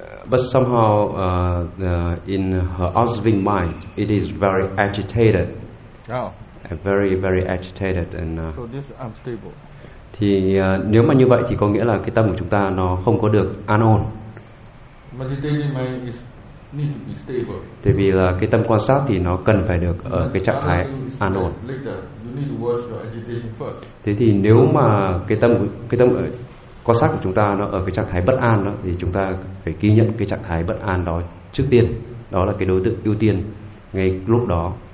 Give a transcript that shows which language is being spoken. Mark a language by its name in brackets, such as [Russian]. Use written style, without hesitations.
[English] But somehow in her observing mind it is very agitated. Oh. Very very agitated and so this is unstable. [Vietnamese] Thì nếu mà như vậy thì có nghĩa là cái tâm của chúng ta nó không có được an ổn. [English] Meditating mind is need to be stable. [Vietnamese] Tại vì là cái tâm quan sát thì nó cần phải được ở cái trạng thái an ổn. [English] Later, you need to watch your agitation first. [Vietnamese] Thế thì nếu mà cái tâm ở quan sát của chúng ta nó ở cái trạng thái bất an đó, thì chúng ta phải ghi nhận cái trạng thái bất an đó trước tiên. Đó là cái đối tượng ưu tiên ngay lúc đó.